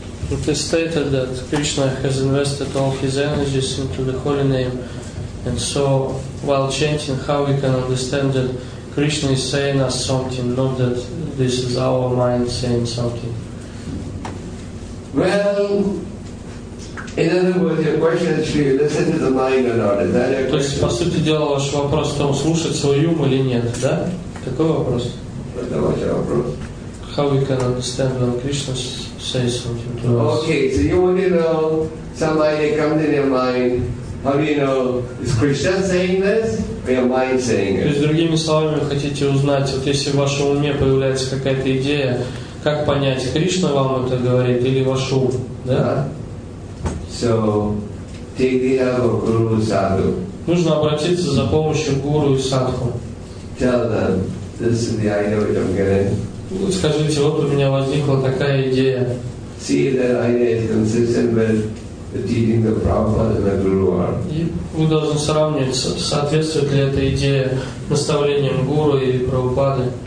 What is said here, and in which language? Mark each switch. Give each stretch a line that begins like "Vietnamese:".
English: It is stated that Krishna has invested all his energies into the holy name, and so while chanting, how we can understand that Krishna is saying us something, not that this is our mind saying something. Well, in other words, your question is, should you listen to the mind or not? Is that your question?
Russian: То есть, по сути дела, ваш вопрос в том, слушать свой ум или нет, да? Какой вопрос? Это ваш вопрос.
English: How we can understand when Krishna says something to us. Okay, so you want to know, somebody comes in your mind, how do you know, is Krishna saying this?
Russian: То есть, другими словами, вы хотите узнать, вот если в вашем уме появляется какая-то идея, как понять, Кришна вам это говорит или ваш ум, да?
English: So, take the help of Guru and Sadhu.
Russian: Нужно обратиться за помощью Гуру и Садху.
English: Tell them, this is the idea which I'm getting.
Russian: Скажите, вот у меня возникла такая идея.
English: See if that idea is consistent with the teaching of Prabhupada and the Guru are.
Russian: Вы должны сравнивать, соответствует ли эта идея наставлениям Гуру и Прабхупады.